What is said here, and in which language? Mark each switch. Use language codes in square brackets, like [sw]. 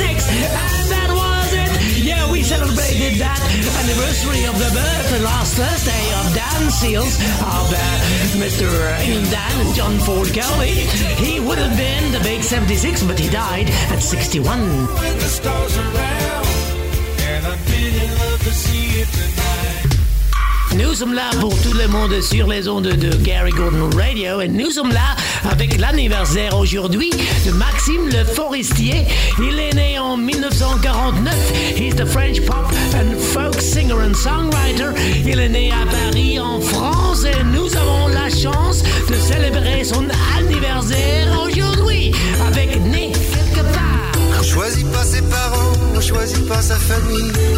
[en] And that was it! Yeah, we celebrated that anniversary of the birth last Thursday of Dan Seals, of Mr. England Dan and John Ford Kelly. He would have been the big 76, but he died at 61. When the stars are round, and I'm in love to see you tonight. [fr] Nous sommes là pour tout le monde sur les ondes de Gary Gordon Radio, et nous sommes là avec l'anniversaire aujourd'hui de Maxime Le Forestier. Il est né en 1949. [en] He's the French pop and folk singer and songwriter. [fr] Il est né à Paris en France et nous avons la chance de célébrer son anniversaire aujourd'hui avec Né quelque part. On choisit pas ses parents, on choisit pas sa famille.